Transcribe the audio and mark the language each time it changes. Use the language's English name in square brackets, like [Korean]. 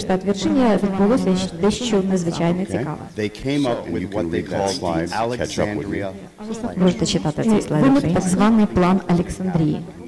[Ukrainian] штат Вірджинія, відбулося дещо надзвичайно цікаве. [English] They came up with what they called the Alexandria plan. [Ukrainian] Можете читати цей слайд. Виник так званий план Олександрії.